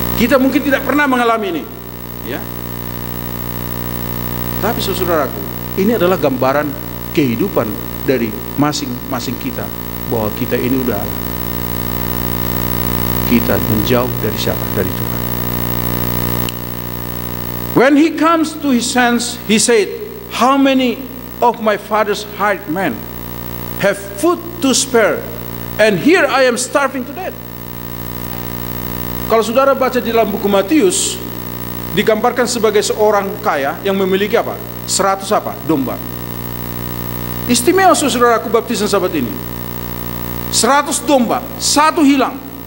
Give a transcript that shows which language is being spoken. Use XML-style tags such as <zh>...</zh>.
<id>Kita mungkin tidak pernah mengalami ini. Ya. Tapi saudaraku, ini adalah gambaran kehidupan dari masing-masing kita, bahwa kita ini udah kita menjauh dari siapa? Dari Tuhan.</id> <en>When he comes to his sense, he said, "How many of my father's hired men have food to spare, and here I am starving to death."</en> <id>Kalau saudara baca di dalam buku Matius, digambarkan sebagai seorang kaya yang memiliki apa? 100 apa? Domba. Istimewa saudara aku baptisan sahabat ini, 100 domba, satu hilang.</id>